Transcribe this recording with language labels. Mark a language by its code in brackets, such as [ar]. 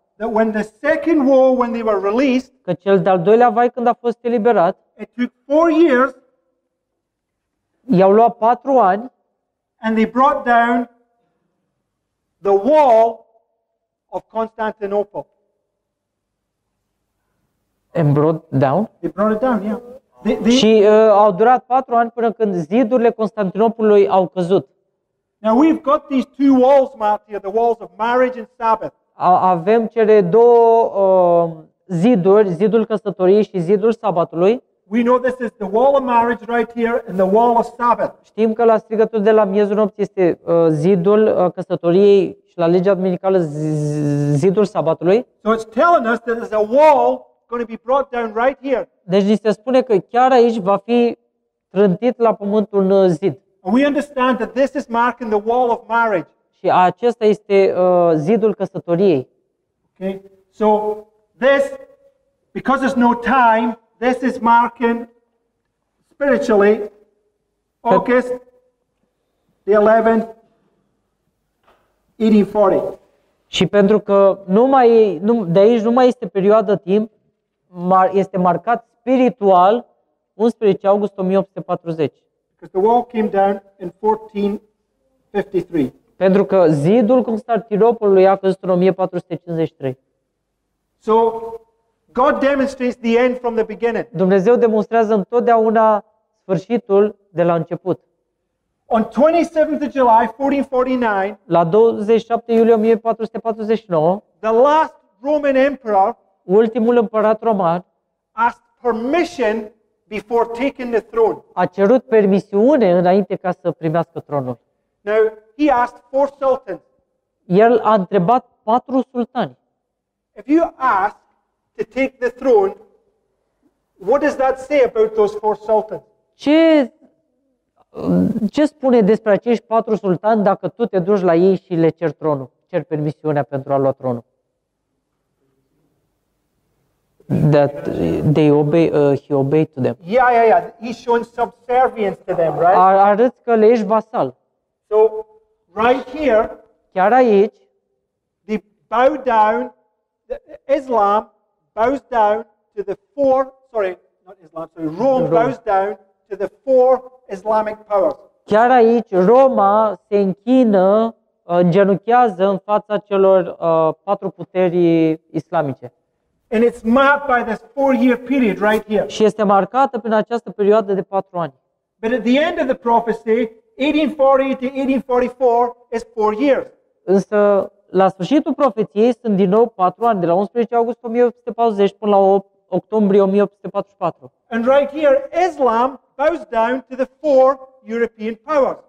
[en] That when the second wall, when they were released, [ro] că cel de-al doilea vai când a fost eliberat, [en] it took 4 years, [ro] i-au luat 4 ani, [en] and they brought down the wall of Constantinople. And brought down? They brought it down, yeah. [ro] Și au durat 4 ani până când zidurile Constantinopolului au căzut. [en] Now we've got these two walls, Matthew, the walls of marriage and Sabbath. [ro] Avem cele două ziduri, zidul căsătoriei și zidul sabatului. [en] We know this is the wall of marriage right here and the wall of Sabbath. [ro] Știm că la strigătul de la miezul nopții este zidul căsătoriei și la legea duminicală zidul sabatului. [en] So it's telling us that there's a wall going to be brought down right here. [ro] Deci ni se spune că chiar aici va fi trântit la pământ un zid. [en] And we understand that this is marking the wall of marriage. [ro] Și acesta este zidul căsătoriei. [en] Okay. So this, because there's no time, this is marking spiritually August the 11th, 1840. [ro] Și pentru că de aici nu mai este perioada timp, este marcat spiritual 11 august 1840. [en] Because the wall came down in 1453. [ro] Pentru că zidul Constantinopolului a căzut în 1453. [en] So God demonstrates the end from the beginning. [ro] Dumnezeu demonstrează întotdeauna sfârșitul de la început. [en] On 27th of July 1449, [ro] la 27 iulie 1449, [en] the last Roman emperor, [ro] ultimul împărat roman, [en] asked permission before taking the throne. [ro] A cerut permisiune înainte ca să primească tronul. [en] Now, he asked 4 sultans. [ro] El a întrebat 4 sultani. [en] If you ask to take the throne, what does that say about those 4 sultans? [ro] Ce spune despre acești 4 sultani dacă tu te duci la ei și le ceri tronul, ceri permisiunea pentru a lua tronul? [en] that they obey, he obeyed to them. Yeah, yeah, yeah. He's showing subservience to them, right? [ro] Arăt că le ești vasal. [en] So, right here, [ro] chiar aici, [en] they bow down, Islam bows down to the four, sorry, not Islam, sorry, Rome bows down to the four Islamic powers. [ro] Chiar aici, Roma se închină, îngenunchează în fața celor patru puteri islamice. [en] And it's marked by this four-year period right here. [ro] Și este marcată prin această perioadă de 4 ani. [en] But at the end of the prophecy, 1840 to 1844 is 4 years. [ro] Însă la sfârșitul profeției sunt din nou 4 ani, de la 11 august 1840 până la 8 octombrie 1844. [en] And right here Islam bows down to the four European powers.